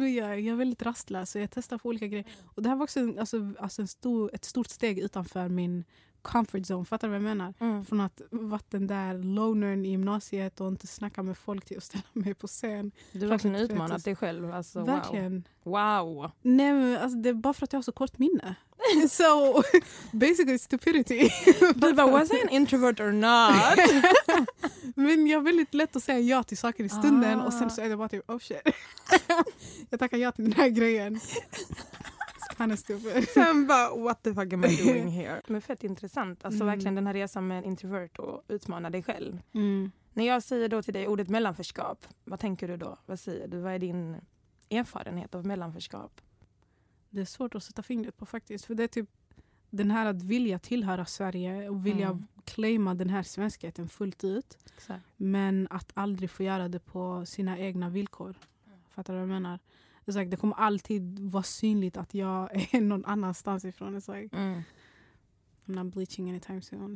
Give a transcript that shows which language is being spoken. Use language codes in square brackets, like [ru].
[sv] Nej, jag är väldigt rastlös, så jag testar på olika grejer. Och det här var också ett stort steg utanför min [en] comfort zone, [sv] fattar du vad jag menar? Från att vara den där lonern i gymnasiet och inte snacka med folk till att ställa mig på scen. Du har verkligen utmanat dig själv. Alltså, verkligen. Wow. Nej, men alltså, det är bara för att jag har så kort minne. [en] So, basically stupidity. [sv] Du bara, [en] was I an introvert or not? [sv] Men jag är väldigt lätt att säga ja till saker i stunden. Och sen så är det bara typ, [en] oh shit. [sv] Jag tackar ja till den här grejen. Han är [en] stupid. [sv] Sen bara, [en] what the fuck am I doing here? [sv] Men fett intressant. Alltså verkligen den här resan med en introvert och utmana dig själv. När jag säger då till dig ordet mellanförskap, vad tänker du då? Vad säger du? Vad är din erfarenhet av mellanförskap? Det är svårt att sätta fingret på faktiskt. För det är typ den här att vilja tillhöra Sverige och vilja claima den här svenskheten fullt ut. Exakt. Men att aldrig få göra det på sina egna villkor. Fattar du vad jag menar? Det kommer alltid vara synligt att jag är någon annanstans ifrån. [en] It's like, I'm not bleaching anytime soon.